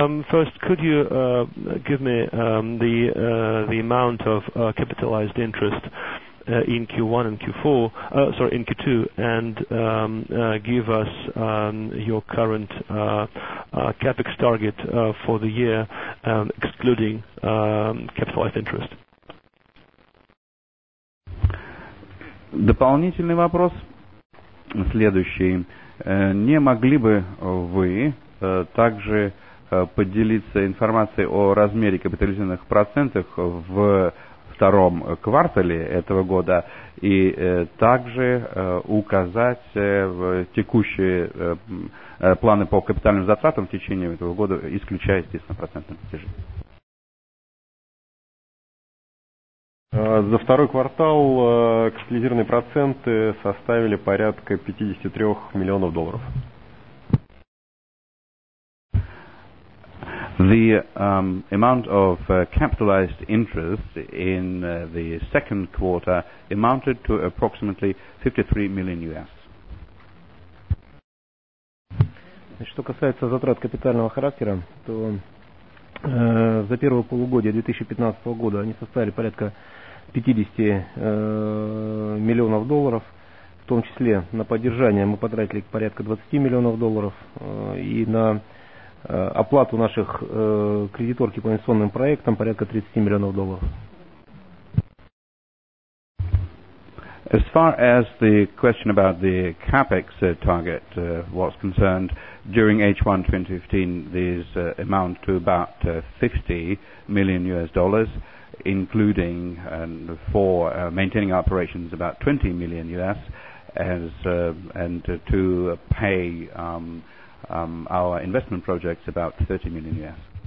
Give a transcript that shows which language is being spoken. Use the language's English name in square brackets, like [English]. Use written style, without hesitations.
[English] First, could you give me the amount of capitalized interest in Q1 and Q4, in Q2, and give us your current CapEx target for the year, excluding capitalized interest? [Russian] Дополнительный вопрос следующий. Не могли бы вы также поделиться информацией о размере капитализированных процентов в втором квартале этого года и также указать текущие планы по капитальным затратам в течение этого года, исключая, естественно, процентные платежи? За второй квартал капитализированные проценты составили порядка 53 миллионов долларов. [English] The amount of capitalized interest in the second quarter amounted to approximately 53 million US. [Russian] Что касается затрат капитального характера, то за первое полугодие 2015 года они составили порядка 50 миллионов долларов, в том числе на поддержание мы потратили порядка 20 миллионов долларов и на оплату наших кредиторки по инвестиционным проектам порядка 30 миллионов долларов. [English] As far as the question about the CapEx target was concerned, during H1 2015 these amount to about 50 million US dollars, including for maintaining operations about 20 million US as and to pay our investment projects about 30 million US.